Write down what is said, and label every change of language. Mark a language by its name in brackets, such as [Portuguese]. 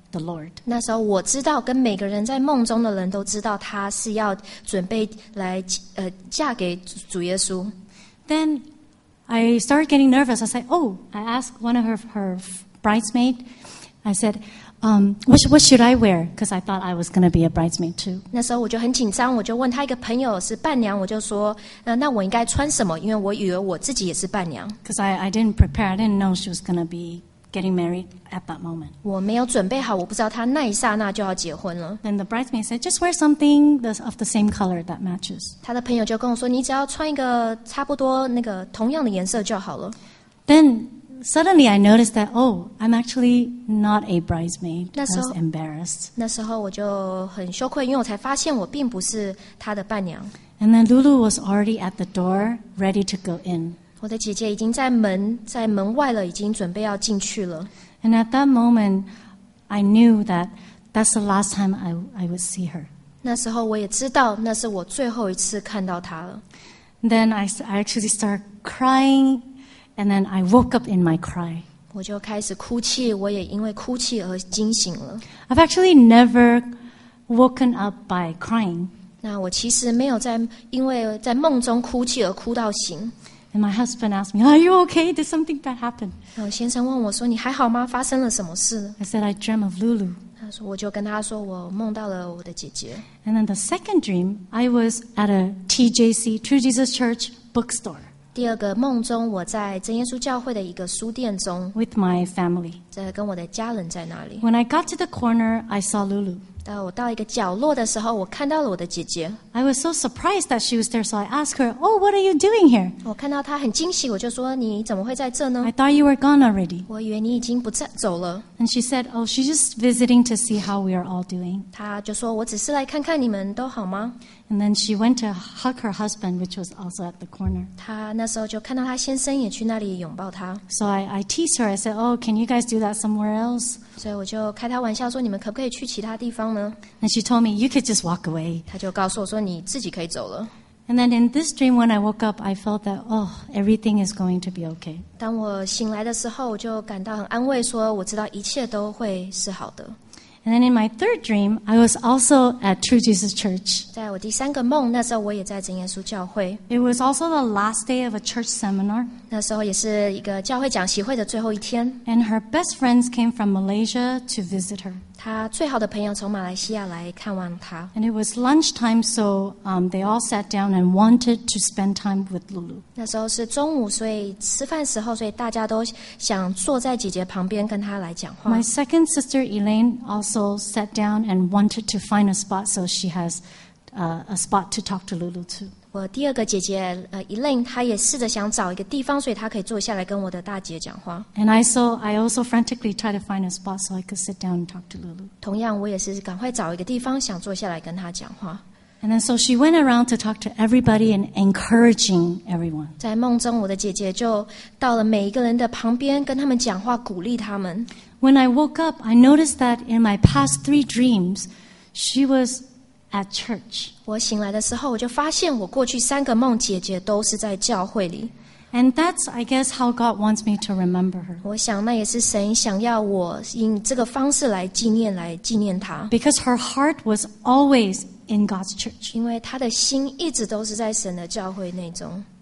[English] The Lord. [Chinese] 那时候我知道，跟每个人在梦中的人都知道，他是要准备来嫁给主耶稣。 [English] Then I started getting nervous. I said, "Oh!" I asked one of her bridesmaid. I said, "What should I wear?" Because I thought I was going to be a bridesmaid too. [Chinese] 那时候我就很紧张，我就问他一个朋友是伴娘，我就说，那我应该穿什么？因为我以为我自己也是伴娘。 [English] Because I didn't prepare. I didn't know she was going to be. getting married at that moment. [Chinese] 我没有准备好，我不知道他那一刹那就要结婚了。 [English] Then the bridesmaid said, "Just wear something of the same color that matches." [Chinese] 他的朋友就跟我说，你只要穿一个差不多那个同样的颜色就好了。 [English] Then suddenly I noticed that, oh, I'm actually not a bridesmaid. I was embarrassed. [Chinese] 那时候我就很羞愧，因为我才发现我并不是他的伴娘。 [English] And then Lulu was already at the door, ready to go in. [Chinese] 我的姐姐已经在门外了，已经准备要进去了。 [English] And at that moment, I knew that that's the last time I would see her. [Chinese] 那时候我也知道，那是我最后一次看到她了。 [English] Then I actually started crying, and then I woke up in my cry. [Chinese] 我就开始哭泣，我也因为哭泣而惊醒了。 [English] I've actually never woken up by crying. [Chinese] 那我其实没有在，因为在梦中哭泣而哭到醒。 [English] And my husband asked me, "Are you okay? Did something bad happen?" [Chinese] 先生问我说，你还好吗？发生了什么事？ [English] I said, "I dream of Lulu." [Chinese] 我就跟他说，我梦到了我的姐姐。 [English] And then the second dream, I was at a TJC, True Jesus Church bookstore. [Chinese] 第二个梦中，我在真耶稣教会的一个书店中。 [English] With my family. [Chinese] 在跟我的家人在那里。 [English] When I got to the corner, I saw Lulu. [Chinese] 我到一个角落的时候，我看到了我的姐姐。 [English] I was so surprised that she was there, so I asked her, "Oh, what are you doing here?" [Chinese] 我看到她很惊喜，我就说，你怎么会在这呢？ [English] I thought you were gone already. [Chinese] 我以为你已经不在走了。 [English] And she said, "Oh, she's just visiting to see how we are all doing." [Chinese] 她就说，我只是来看看你们都好吗？ [English] And then she went to hug her husband, which was also at the corner. [Chinese] 她那时候就看到她先生也去那里拥抱她。 [English] So I teased her. I said, "Oh, can you guys do that somewhere else?" [Chinese] 所以我就开她玩笑说，你们可不可以去其他地方？ [English] And she told me, "You could just walk away." [Chinese] 她就告诉我说，你自己可以走了。 [English] And then in this dream, when I woke up, I felt that, oh, everything is going to be okay. [Chinese] 当我醒来的时候，我就感到很安慰，说我知道一切都会是好的。 [English] And then in my third dream, I was also at True Jesus Church. [Chinese] 在我第三个梦，那时候我也在真耶稣教会。 [English] It was also the last day of a church seminar. [Chinese] 那时候也是一个教会讲习会的最后一天。 [English] And her best friends came from Malaysia to visit her. [Chinese] 她最好的朋友从马来西亚来看望她。 [English] And it was lunchtime, so they all sat down and wanted to spend time with Lulu. [Chinese] 那时候是中午，所以吃饭时候，所以大家都想坐在姐姐旁边跟她来讲话。 [English] My second sister Elaine also sat down and wanted to find a spot so she has a spot to talk to Lulu too. [Chinese] 我第二个姐姐Elaine 她也试着想找一个地方，所以她可以坐下来跟我的大姐讲话。 [English] And I also frantically tried to find a spot so I could sit down and talk to Lulu. [Chinese] 同样，我也是赶快找一个地方想坐下来跟她讲话。 [English] And then so she went around to talk to everybody and encouraging everyone. [Chinese] 在梦中，我的姐姐就到了每一个人的旁边，跟他们讲话，鼓励他们。 [English] When I woke up, I noticed that in my past three dreams, she was at church. [Chinese] 我醒来的时候，我就发现我过去三个梦，姐姐都是在教会里。 [English] And that's, I guess, how God wants me to remember her. [Chinese] 我想那也是神想要我用这个方式来纪念，来纪念她。 [English] Because her heart was always in God's church. [Chinese] 因为她的心一直都是在神的教会内中。